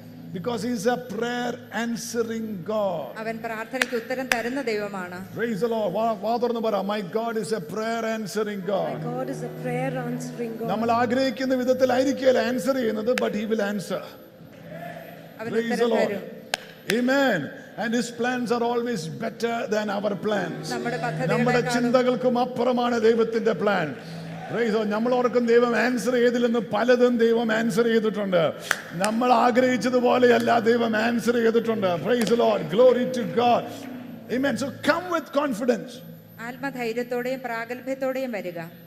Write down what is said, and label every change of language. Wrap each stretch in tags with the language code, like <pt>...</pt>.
<en>Because he is a prayer answering God.</en> <ml>അവൻ പ്രാർത്ഥനയ്ക്ക് ഉത്തരം തരുന്ന ദൈവമാണ്.</ml> <en>Praise the Lord.</en> <ml>വാതുറന്നു പറ,</ml> <en>my God is a prayer answering God. My God is a prayer answering God.</en> <ml>നമ്മൾ ആഗ്രഹിക്കുന്ന വിധത്തിൽ ആയിരിക്കില്ല answer ചെയ്യുന്നത്,</ml> <en>but he will answer. Praise the Lord. Amen. And his plans are always better than our plans.</en> <ml>നമ്മുടെ ചിന്തകൾക്കും അപ്പുറമാണ് ദൈവത്തിന്റെ plan. പ്രൈസോ, നമ്മൾ ഓർക്കും ദൈവം ആൻസർ ചെയ്തില്ലെന്ന്. പലതും ദൈവം ആൻസർ ചെയ്തിട്ടുണ്ട്, നമ്മൾ ആഗ്രഹിച്ചതുപോലെയല്ല ദൈവം ആൻസർ ചെയ്തിട്ടുണ്ട്.</ml> <en>Praise the Lord, glory to God. Amen. So come with confidence.</en> <ml>ആത്മധൈര്യത്തോടെയും പ്രാഗൽഭ്യത്തോടെയും വരിക.</ml>